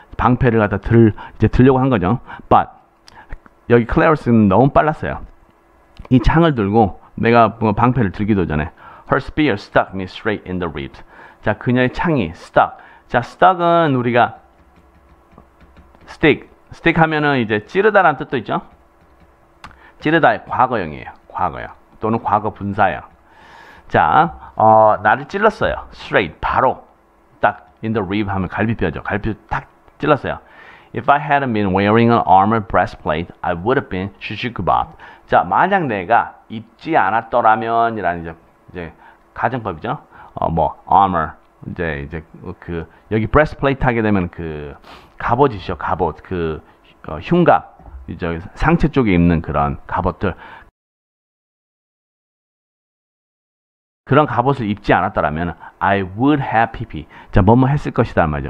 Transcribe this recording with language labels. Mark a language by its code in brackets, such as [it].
[ko] 방패를 갖다 들려고 한 거죠. But, 여기 Clarissa는 너무 빨랐어요. 이 창을 들고, 내가 방패를 들기도 전에. [en] Her spear stuck me straight in the ribs. [ko] 자, 그녀의 창이 stuck. 자, stuck은 우리가 stick 하면은 이제 찌르다라는 뜻도 있죠. 찌르다의 과거형이에요. 과거요. 또는 과거 분사요. 자, 나를 찔렀어요. straight 바로 딱 [en] in the rib [ko] 하면 갈비뼈죠. 갈비 딱 찔렀어요. [en] If I hadn't been wearing an armor breastplate, I would have been shishikubob. [ko] 자, 만약 내가 입지 않았더라면이라는 이제 가정법이죠. armor 이제 그 여기 breastplate 하게 되면 그 갑옷이죠. 갑옷 그 흉갑 이제 상체 쪽에 입는 그런 갑옷들 그런 갑옷을 입지 않았더라면 [en] I would have pp [ko] 자 뭐뭐 했을 것이다 말이죠.